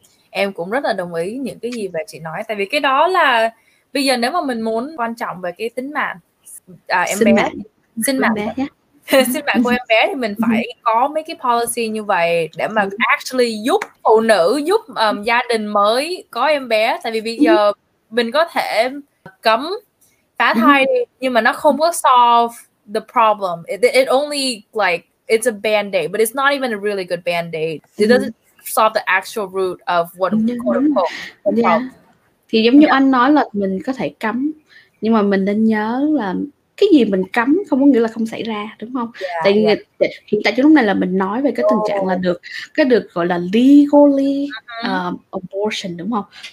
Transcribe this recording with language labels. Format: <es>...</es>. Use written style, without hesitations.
<vi>Em cũng rất là đồng ý những cái gì mà chị nói, tại vì cái đó là bây giờ nếu mà mình muốn quan trọng về cái tính mạng em bé, sinh mạng sinh mạng của em bé, thì mình phải có mấy cái policy như vậy để mà actually giúp phụ nữ, giúp gia đình mới có em bé. Tại vì bây giờ mình có thể cấm phá thai đi, nhưng mà nó không có</vi> <en>solve the problem. It only like it's a band-aid, but it's not even a really good band-aid. It doesn't solve the actual root of what quote unquote problem.</en> <vi>Thì giống như anh nói là mình có thể cấm, nhưng mà mình nên nhớ là cái gì mình cấm không có nghĩa là không xảy ra, đúng không? Hiện tại cho lúc này là mình nói về cái tình trạng là được cái được gọi là legally abortion, đúng không?</vi>